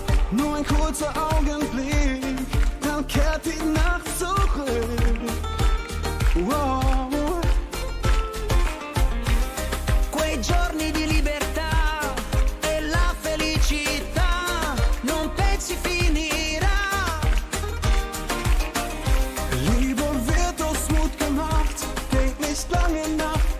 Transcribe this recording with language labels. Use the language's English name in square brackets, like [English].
[German] Nur ein kurzer Augenblick, dann kehrt die Nacht zurück. Wow. [Italian] Quei giorni di libertà e la felicità non pensi finirà. [German] Liebe wird aus Mut gemacht, geht nicht lange nach.